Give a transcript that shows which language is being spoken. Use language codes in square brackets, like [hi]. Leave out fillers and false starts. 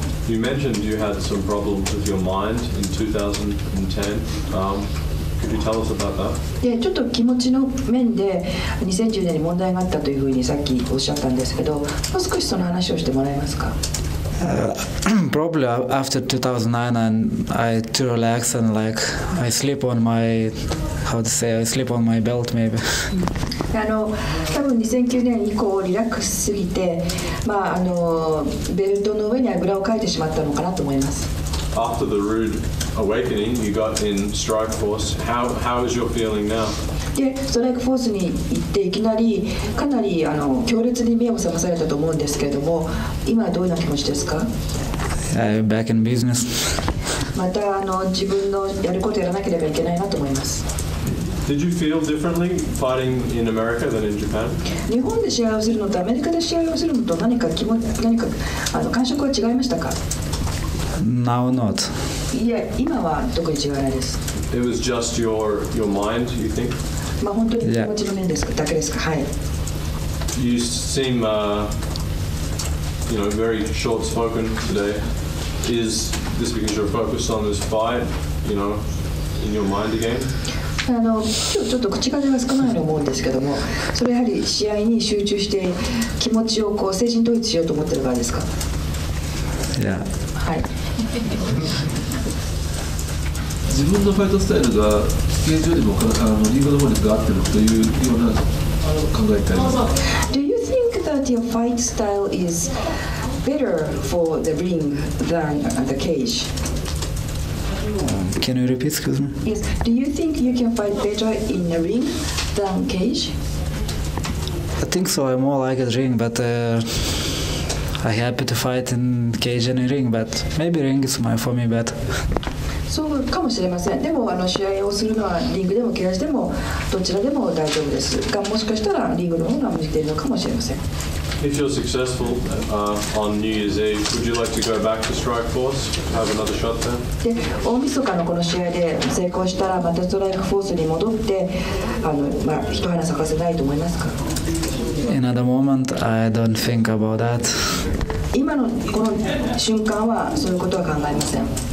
[en] You mentioned you had some problems with your mind in 2010. Could you tell us about that? [ja] Yeah, ちょっと気持ちの面で2010年に問題があったというふうにさっきおっしゃったんですけど、もう少しその話をしてもらえますか。 [en] Probably after 2009, I too relax and like I sleep on my how to say I sleep on my belt maybe. [ja] あの多分2009年以降リラックスすぎて、まああのベルトの上にあぐらをかいてしまったのかなと思います。 [en] After the rude awakening you got in Strike Force, how is your feeling now? [ja] でストライクフォースに行っていきなりかなりあの強烈に目を覚まされたと思うんですけれども今はどういう気持ちですか [en] back in business. [ja] またあの自分のやることをやらなければいけないなと思います [en] Did you feel differently fighting in America than in Japan? [ja] 日本で試合をするのとアメリカで試合をするのと何かあの感触は違いましたか [en] Now not. [ja] いや今は特に違いないです [en] It was just your mind, you think? [ja] まあ本当に気持ちの面ですか、だけですか、はい。 [en] You seem, you know, very short-spoken today. Is this because you're focused on this fight, you know, in your mind again? [ja] あの、今日ちょっと口数が少ないと思うんですけども、それやはり試合に集中して気持ちをこう精神統一しようと思ってる場合ですか [en] Yeah. [ja] はい。自分のファイトスタイルが現状でもあのリングの方に合ってるというような考えたりですか [en] Do you think that your fight style is better for the ring than the cage? Can you repeat, excuse me? Yes. Do you think you can fight better in a ring than cage? I think so. I more like a ring, but I happy to fight in cage and in ring, but maybe ring is my for me better. [ja] そうかもしれません。でもあの試合をするのはリングでもケージでもどちらでも大丈夫ですが、もしかしたらリングの方が向いているのかもしれません。 [en] If you're successful on New Year's Eve, would you like to go back to Strikeforce? Have another shot then? [ja] で、大晦日のこの試合で成功したらまたストライクフォースに戻ってあの、まあ、一花咲かせたいと思いますか？ [en] In other moment, I don't think about that. [ja] 今のこの瞬間はそういうことは考えません。